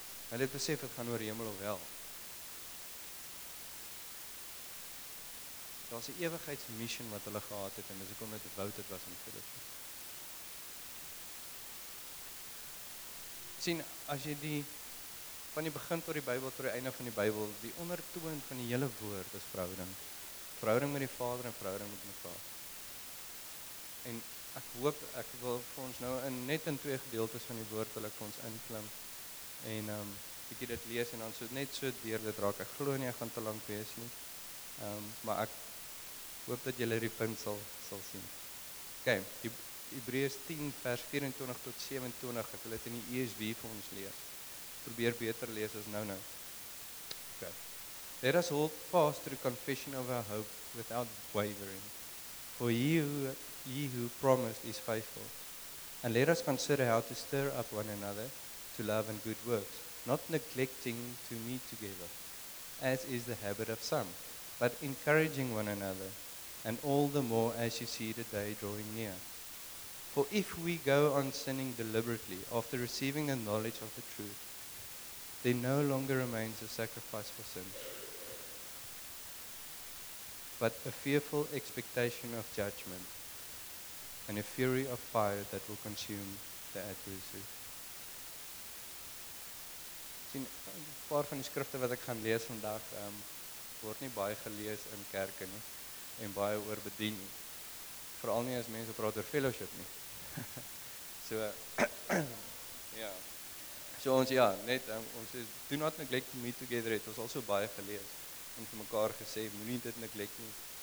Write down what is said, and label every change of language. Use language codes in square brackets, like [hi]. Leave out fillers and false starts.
[af] hulle het besef, het gaan oor hemel of hel, daar is die ewigheidsmission wat hulle gehad het, en dis ook omdat devoted was in fellowship. Sien, as jy die, van die begin tot die Bybel, tot die einde van die Bybel, die ondertoon van die hele woord is verhouding. Verhouding met die Vader en verhouding met mekaar. En ek hoop, ek wil vir ons nou in, net in twee gedeeltes van die woord, wil ek vir ons inklim, en ek dit lees, en dan so net so deur dit raak, ek glo nie, ek gaan te lang wees nie, maar ek hoop dat julle die punt sal sien. Okay, die Hebreërs 10 vers 24 tot 27, ek wil dit in die ESV vir ons lees. Probeer beter lees as nou. Okay. [en] Let us hold fast to the confession of our hope without wavering. For he who promised is faithful. And let us consider how to stir up one another to love and good works, not neglecting to meet together, as is the habit of some, but encouraging one another, and all the more as you see the day drawing near. For if we go on sinning deliberately after receiving a knowledge of the truth, there no longer remains a sacrifice for sin, but a fearful expectation of judgment and a fury of fire that will consume the adversary. [af] sien, 'n paar van die skrifte wat ek gaan lees vandag, word nie baie gelees in kerke nie, en baie oor bedien nie. Vooral nie as mense praat oor fellowship nie. So, ja, so ons, ja, net, ons is, [en] do not neglect to meet together, [af] het ons al so baie gelees, en vir mekaar gesê, moenie dit neglect nie.